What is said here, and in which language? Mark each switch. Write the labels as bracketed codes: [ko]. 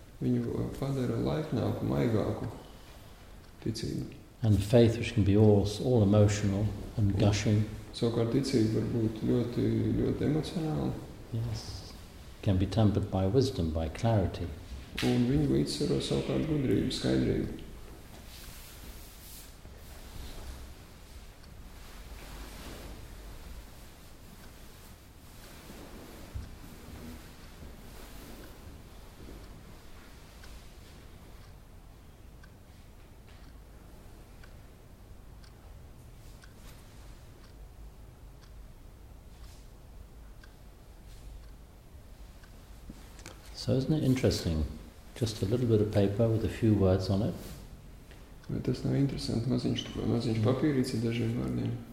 [lv] Viņu padara laipnāku, maigāku ticību. [en] And faith, which can be all emotional and gushing. [lv] Savukārt ticība var būt ļoti, ļoti emocionāla. [en] Yes. Can be tempered by wisdom, by clarity. [lv] Un viņu līdzsvaro savukārt gudrību, skaidrību. [en] So isn't it interesting? Just a little bit of paper with a few words on it. [lv] Bet tas nav interesanti, maziņš papīrīts ar dažiem vārdiem.